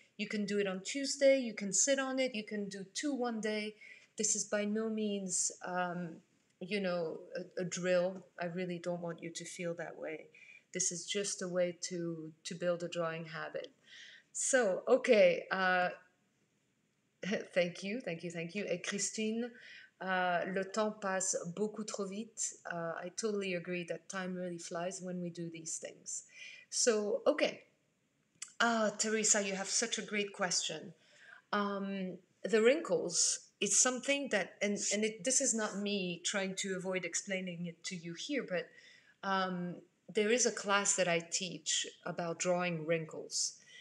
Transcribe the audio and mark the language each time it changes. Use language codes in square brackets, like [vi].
[en] You can do it on Tuesday. You can sit on it. You can do 2 one day. This is by no means, a drill. I really don't want you to feel that way. This is just a way to build a drawing habit. So, okay. Thank you, thank you, thank you. [fr] Et Christine, le temps passe beaucoup trop vite. [en] I totally agree that time really flies when we do these things. So, okay. Teresa, you have such a great question. The wrinkles... It's something that, and this is not me trying to avoid explaining it to you here, but there is a class that I teach about drawing wrinkles.